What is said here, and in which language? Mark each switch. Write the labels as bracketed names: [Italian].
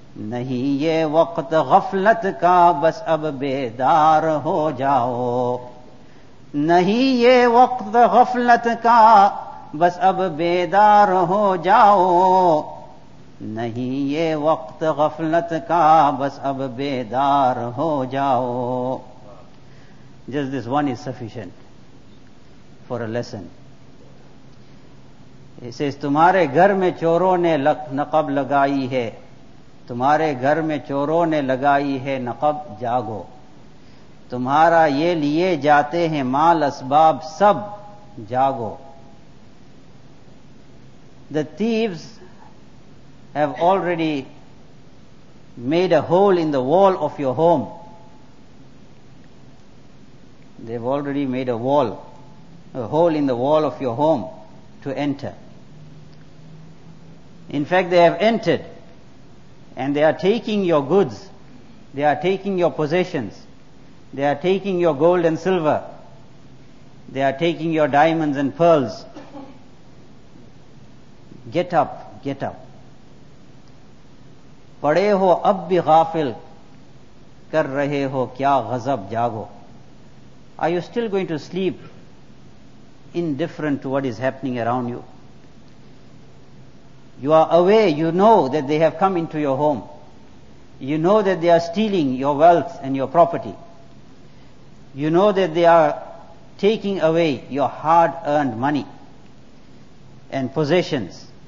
[Urdu] نہیں یہ وقت غفلت کا بس اب بیدار ہو جاؤ، نہیں یہ وقت غفلت کا بس اب بیدار ہو جاؤ، نہیں یہ وقت غفلت کا بس اب بیدار ہو جاؤ. [English] Just this one is sufficient for a lesson. He says, [Urdu] تمہارے گھر میں چوروں نے نقب لگائی ہے، تمہارے گھر میں چوروں نے لگائی ہے نقب، جاگو. تمہارا یہ لیے جاتے ہیں مال اسباب سب، جاگو. [English] The thieves have already made a hole in the wall of your home. They've already made a hole in the wall of your home to enter. In fact, they have entered and they are taking your goods, they are taking your possessions, they are taking your gold and silver, they are taking your diamonds and pearls. Get up, get up. [Urdu] پڑے ہو اب بھی غافل کر رہے ہو کیا غضب، جاگو. [English] Are you still going to sleep indifferent to what is happening around you? You are aware, you know that they have come into your home. You know that they are stealing your wealth and your property. You know that they are taking away your hard-earned money and possessions.